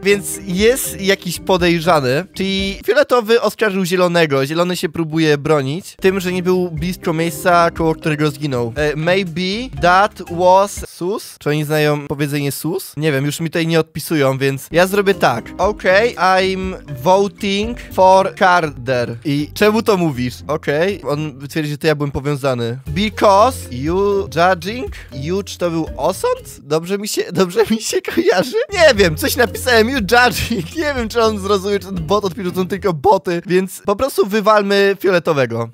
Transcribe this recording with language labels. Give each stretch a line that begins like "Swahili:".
Polish: Więc jest jakiś podejrzany, czyli fioletowy oskarżył zielonego. Zielony się próbuje bronić tym, że nie był blisko miejsca, koło którego zginął.
English: Maybe that was sus?
Polish: Czy oni znają powiedzenie sus? Nie wiem, już mi tutaj nie odpisują, więc ja zrobię tak.
English: Okej, okay, I'm voting for Carter.
Polish: I czemu to mówisz? Okej, okay, on twierdzi, że to ja byłem powiązany.
English: Because you judging?
Polish: You, czy to był osąd? Dobrze mi się kojarzy? Nie wiem, coś napisałem,
English: you judging.
Polish: Nie wiem, czy on zrozumie, czy ten bot odpisze, są tylko boty, więc po prostu wywalmy fioletowego.